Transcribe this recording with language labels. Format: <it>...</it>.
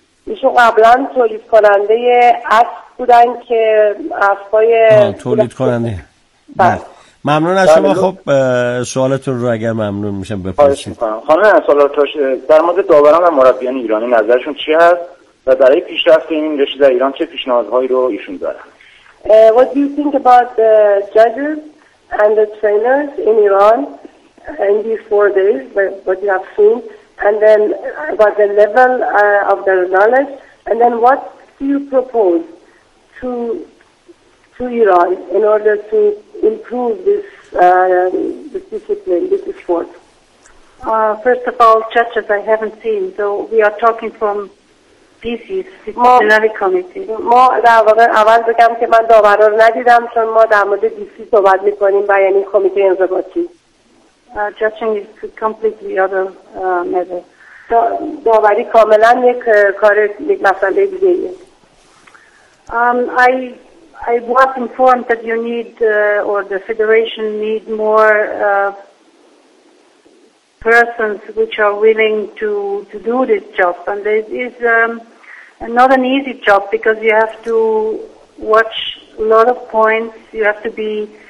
<fa>ایشون قبلا تولید کننده اسب بودن که اسبای تولید کننده. بله، ممنون از شما. خب سوالتون رو اگر ممنون میشم بپرسید. خانم سالارتاش، در مورد داوران و مربیان ایرانی نظرشون چی هست و برای پیشرفت این رشته در ایران چه پیشنهادهایی رو ایشون دارن؟</fa> <en>What do you think about the judges and the trainers in Iran in these 4 days, what you have seen, and then about the level of their knowledge, and then what do you propose to Iran in order to improve this discipline, this sport? First of all, judges I haven't seen, so we are talking from DC's disciplinary committee.</en> <fa>ما در واقع اول بگم که من داورا رو ندیدم چون ما در مورد DC صحبت میکنیم و یعنی کمیته انضباطی.</fa> <en>Judging is completely other matter.</en> <fa>داوری کاملا یک کار یک مسئله دیگه است.</fa> <en>I was informed that you need or the federation need more persons which are willing to do this job, and it is not an easy job because you have to watch a lot of points, you have to be</en>